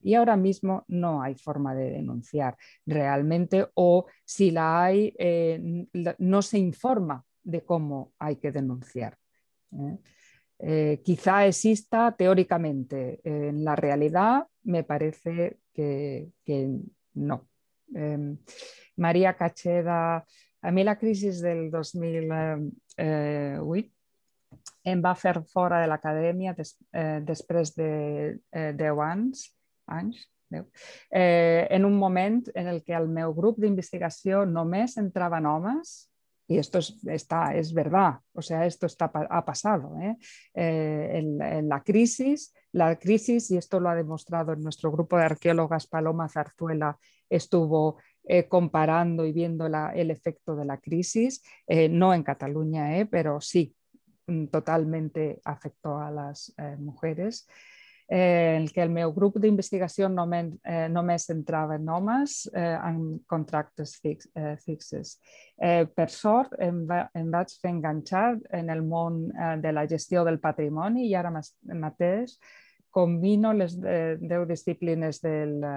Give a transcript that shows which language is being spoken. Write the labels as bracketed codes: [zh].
[es] Y ahora mismo no hay forma de denunciar realmente. O si la hay, no se informa de cómo hay que denunciar. Quizá exista teóricamente, en la realidad me parece que no. [ca] María Cacheda, a mi la crisis del 2008 em va fer fora de l'acadèmia després de 10 anys. En un moment en el que el meu grup d'investigació només entraven homes. [es] Y esto es verdad, o sea, esto ha pasado. En la crisis, y esto lo ha demostrado en nuestro grupo de arqueólogas, Paloma Zarzuela estuvo comparando y viendo el efecto de la crisis, no en Cataluña, pero sí, totalmente afectó a las mujeres. [ca] En què el meu grup d'investigació només entrava en homes amb contractes fixes. Per sort, em vaig fer enganxar en el món de la gestió del patrimoni i ara mateix combino les 10 disciplines de